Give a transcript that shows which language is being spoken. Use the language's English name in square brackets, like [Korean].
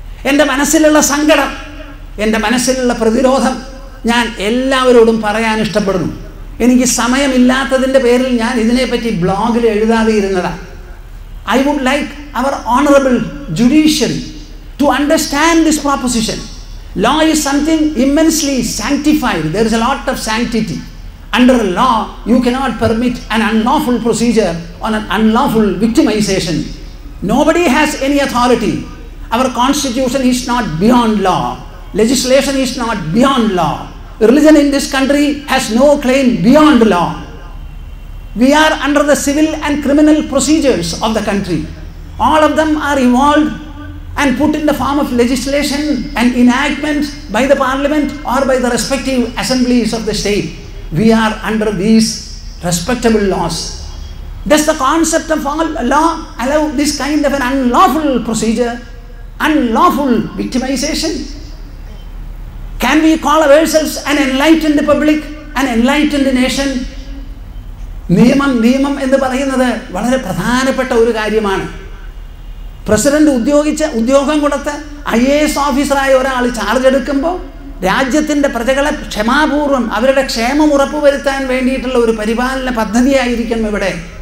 [Malayalam] എൻ്റെ മനസ്സിലുള്ള സങ്കടം, എൻ്റെ മനസ്സിലുള്ള പ്രതിരോധം ഞാൻ എല്ലാവരോടും പറയാൻ ഇഷ്ടപ്പെടുന്നു. എനിക്ക് സമയമില്ലാത്തതിൻ്റെ പേരിൽ ഞാൻ ഇതിനെപ്പറ്റി ബ്ലോഗിൽ എഴുതാതെ ഇരുന്നതാണ്. [English] I would like our honourable judiciary to understand this proposition. Law is something immensely sanctified. There is a lot of sanctity. Under a law, you cannot permit an unlawful procedure or an unlawful victimization. Nobody has any authority. Our constitution is not beyond law. Legislation is not beyond law. Religion in this country has no claim beyond law. We are under the civil and criminal procedures of the country. All of them are evolved and put in the form of legislation and enactment by the parliament or by the respective assemblies of the state. We are under these respectable laws. Does the concept of law allow this kind of an unlawful procedure, unlawful victimization? Can we call ourselves an enlightened public, an enlightened nation? [Malayalam] നിയമം എന്ന് പറയുന്നത് വളരെ പ്രധാനപ്പെട്ട ഒരു കാര്യമാണ്. President ഉദ്യോഗം കൊടുത്ത് IAS ഓഫീസറായ ഒരാൾ ചാർജ് എടുക്കുമ്പോൾ രാജ്യത്തിൻ്റെ പ്രജകളെ ക്ഷമാപൂർവം അവരുടെ ക്ഷേമം ഉറപ്പു വരുത്താൻ വേണ്ടിയിട്ടുള്ള ഒരു പരിപാലന പദ്ധതിയായിരിക്കണം ഇവിടെ.